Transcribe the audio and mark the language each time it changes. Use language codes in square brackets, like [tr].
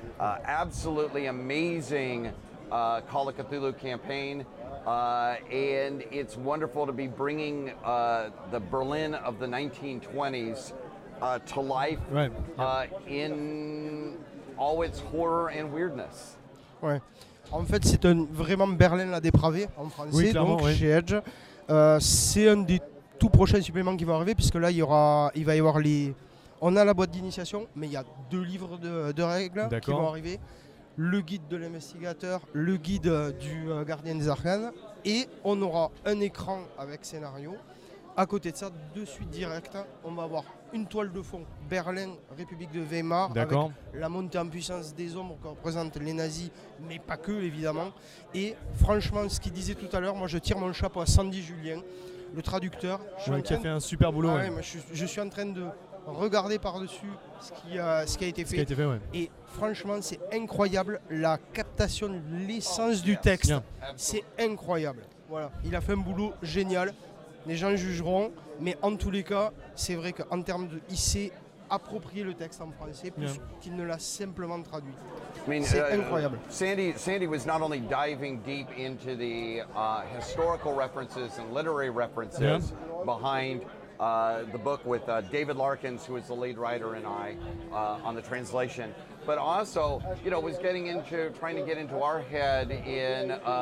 [en] Absolutely amazing Call of Cthulhu campaign, and it's wonderful to be bringing the Berlin of the 1920s to life in all its horror and weirdness. [fr] Ouais. En fait, c'est un vraiment Berlin la dépravée en français. Oui, clairement, donc oui. Chez Edge, c'est un des tout prochains suppléments qui vont arriver, puisque là il va y avoir les. On a la boîte d'initiation, mais il y a deux livres de règles. D'accord. Qui vont arriver. Le guide de l'investigateur, le guide du gardien des arcanes, et on aura un écran avec scénario. À côté de ça, de suite direct, on va avoir une toile de fond, Berlin, République de Weimar. D'accord. Avec la montée en puissance des ombres que représentent les nazis, mais pas que, évidemment. Et franchement, ce qu'il disait tout à l'heure, moi je tire mon chapeau à Sandy Julien, le traducteur. Ouais, qui a fait un super boulot. Ouais. Moi, je suis en train de regarder par-dessus ce qui a été fait. Ce qui a été fait, ouais. Et franchement, c'est incroyable la captation, l'essence du texte. Bien. C'est incroyable. Voilà. Il a fait un boulot génial. Les gens jugeront, mais en tous les cas, c'est vrai qu'en termes de, il s'est approprié le texte en français plus qu'il ne l'a simplement traduit. [en] I mean, [fr] c'est incroyable. [en] Sandy was not only diving deep into the historical references and literary references behind the book with David Larkins, who is the lead writer, and I on the translation, but also, you know, was getting into trying to get into our head in.